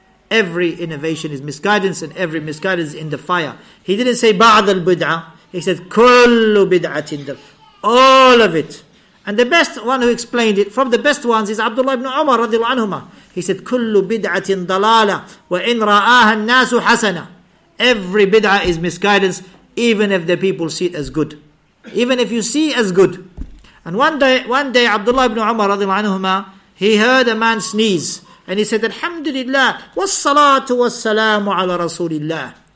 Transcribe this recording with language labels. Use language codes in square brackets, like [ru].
[en] Every innovation is misguidance, and every misguidance is in the fire. He didn't say [ar] بعض البدعة. [en] He said [ar] كلُّ بدعةٍ. [en] All of it. And the best one who explained it, from the best ones, is Abdullah ibn Umar radiallahu anhuma. He said [ar] كلُّ بدعةٍ ضلالة وإن رآها الناس حسنة. [en] Every bid'ah is misguidance, even if the people see it as good. Even if you see it as good. And one day Abdullah ibn Umar radiallahu anhuma, he heard a man sneeze. And he said, Alhamdulillah, wassalatu wassalamu ala Rasulillah.